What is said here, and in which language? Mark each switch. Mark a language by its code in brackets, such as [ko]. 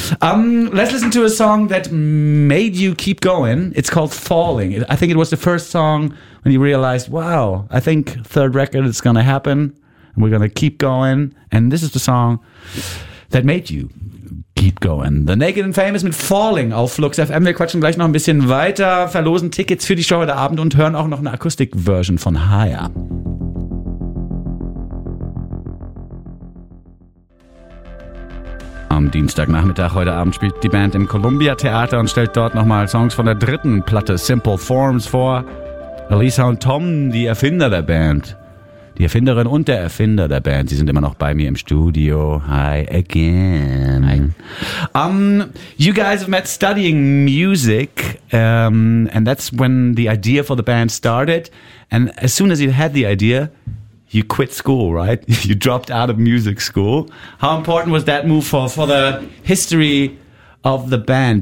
[en] Let's listen to a song that made you keep going. It's called Falling. I think it was the first song when you realized, wow, I think third record is going to happen and we're going to keep going. And this is the song that made you keep going. [de] The Naked and Famous mit Falling auf Flux FM. Wir quatschen gleich noch ein bisschen weiter, verlosen Tickets für die Show heute Abend und hören auch noch eine Akustikversion von Higher. Am Dienstagnachmittag heute Abend spielt die Band im Columbia Theater und stellt dort nochmal Songs von der dritten Platte Simple Forms vor. Elisa und Tom, die Erfinder der Band. Die Erfinderin und der Erfinder der Band, sie sind immer noch bei mir im Studio. [en] Hi again. Hi. You guys have met studying music, and that's when the idea for the band started. And as soon as you had the idea, you quit school, right? You dropped out of music school. How important was that move for the history of the band?